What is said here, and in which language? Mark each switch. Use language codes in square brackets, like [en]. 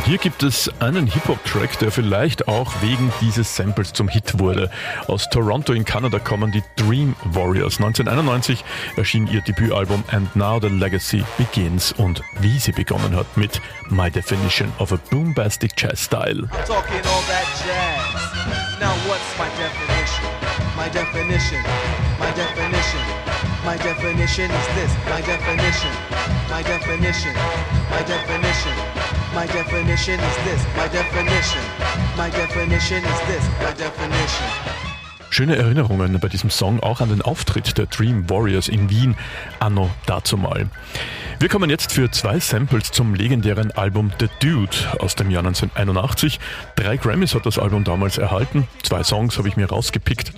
[de] Hier gibt es einen Hip-Hop-Track, der vielleicht auch wegen dieses Samples zum Hit wurde. Aus Toronto in Kanada kommen die Dream Warriors. 1991 erschien ihr Debütalbum And Now the Legacy Begins und wie sie begonnen hat mit My Definition of a Boombastic Jazz Style. [en] Talking all that jazz. Now what's my definition? My definition. My definition. My definition is this, my definition, my definition, my definition, my definition is this, my definition is this, my definition. [de] Schöne Erinnerungen bei diesem Song, auch an den Auftritt der Dream Warriors in Wien, anno dazumal. Wir kommen jetzt für 2 Samples zum legendären Album The Dude aus dem Jahr 1981. 3 Grammys hat das Album damals erhalten. 2 Songs habe ich mir rausgepickt.